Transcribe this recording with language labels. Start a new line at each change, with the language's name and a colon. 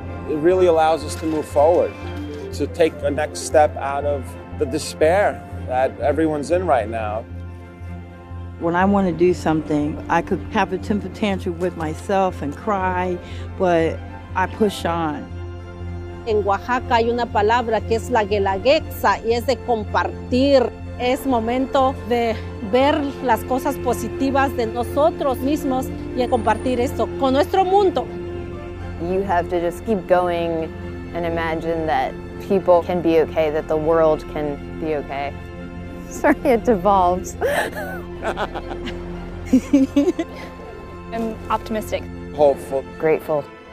English: It really allows us to move forward, to take the next step out of the despair that everyone's in right now. When I want to do something, I could have a temper tantrum with myself and cry, but I push on.
Spanish: En Oaxaca hay una palabra que es la guelaguetza, y es de compartir. Es momento de ver las cosas positivas de nosotros mismos y compartir esto con nuestro mundo.
English: You have to just keep going and imagine that people can be okay, that the world can be okay. Sorry, it devolves. I'm optimistic. Hopeful. Grateful.